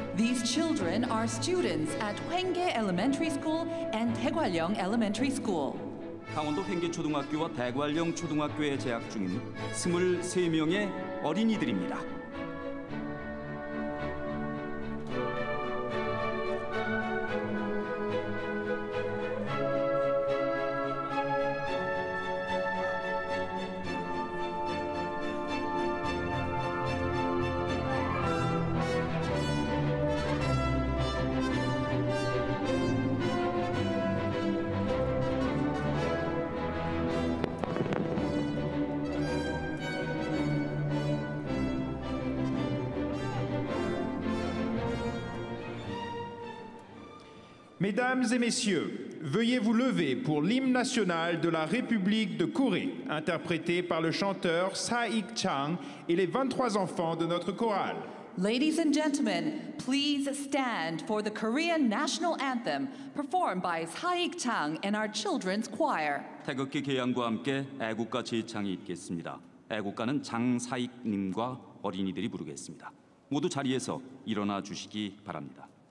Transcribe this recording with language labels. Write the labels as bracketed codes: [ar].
[en] These children are students at Hwenge Elementary School and Daegwalyeong Elementary School. [ko] 강원도 횡계 초등학교와 대관령 초등학교에 재학 중인 23명의 어린이들입니다. [fr] Mesdames et messieurs, veuillez vous lever pour l'hymne national de la République de Corée, interprété par le chanteur Sa-ik Chang et les 23 enfants de notre chorale. [en] Ladies and gentlemen, please stand for the Korean national anthem performed by Sa-ik Chang and our children's choir. [ko] 태극기 개양과 함께 애국가 제창이 있겠습니다. 애국가는 장사익 님과 어린이들이 부르겠습니다. 모두 자리에서 일어나 주시기 바랍니다.